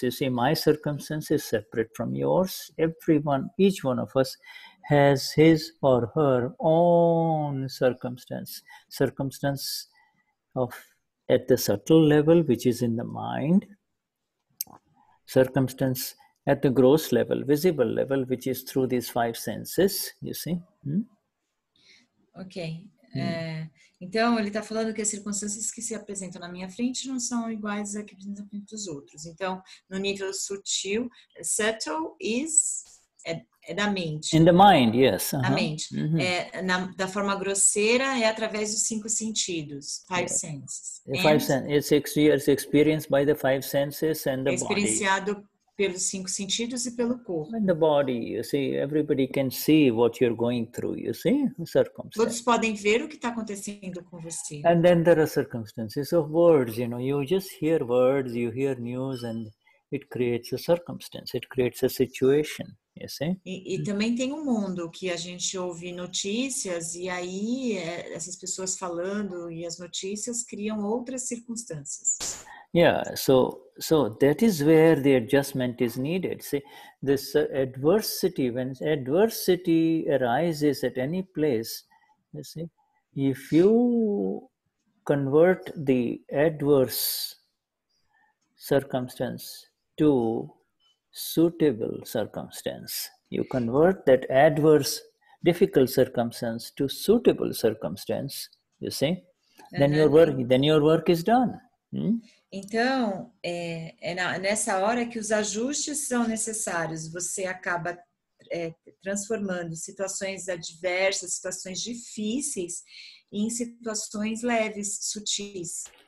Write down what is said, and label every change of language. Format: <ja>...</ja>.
<en>You see, my circumstance is separate from yours. Everyone, each one of us has his or her own circumstance. Circumstance of at the subtle level, which is in the mind. Circumstance at the gross level, visible level, which is through these five senses, you see. Okay.</en> <pt>Então, ele está falando que as circunstâncias que se apresentam na minha frente não são iguais às que apresentam na frente dos outros. Então, no nível sutil,</pt> <en>subtle is</en> <pt>da mente.</pt> <en>In the mind, yes.</en> <pt>Uh-huh. Da mente. Uh-huh. Da forma grosseira é através dos cinco sentidos,</pt> <en>five senses. It's experienced by the five senses and the</en> <pt>experienciado</pt> <en>body.</en> <pt>Pelos cinco sentidos e pelo corpo.</pt> <en>And the body, you see, everybody can see what you're going through, you see, the circumstances.</en> <pt>Todos podem ver o que está acontecendo com você.</pt> <en>And then there are circumstances of words, you know, you just hear words, you hear news, and it creates a circumstance, it creates a situation, you see.</en> <pt>E também tem um mundo que a gente ouve notícias, e aí essas pessoas falando, e as notícias criam outras circunstâncias.</pt> <en>Yeah, so that is where the adjustment is needed. See, this adversity, when adversity arises at any place, you see, if you convert the adverse circumstance to suitable circumstance, you convert that adverse, difficult circumstance to suitable circumstance, you see, then your work is done.</en> <pt>Então, nessa hora que os ajustes são necessários, você acaba transformando situações adversas, situações difíceis, em situações leves, sutis.</pt>